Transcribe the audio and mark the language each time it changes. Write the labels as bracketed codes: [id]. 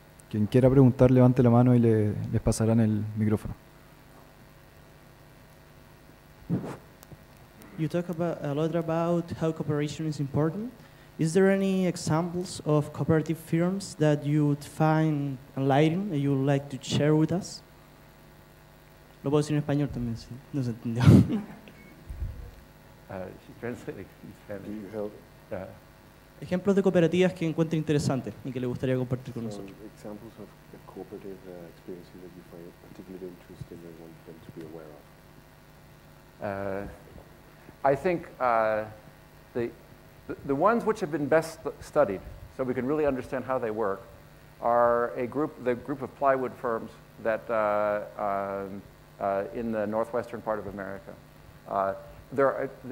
[es] Quien quiera preguntar, levante la mano y les pasarán el micrófono. [en] You talk about a lot about how cooperation is important. Is there any examples of cooperative firms that you'd find enlightening and you'd like to share with us? [es] Lo puedo decir en español también, si no se entendió. [en] She's translating in Spanish. [es] Ejemplos de cooperativas que encuentre interesantes y que le gustaría compartir con nosotros. [en] Examples of a cooperative experience that you find particularly interesting and want them to be aware of. I think the ones which have been best studied, so we can really understand how they work, are the group of plywood firms that in the northwestern part of America.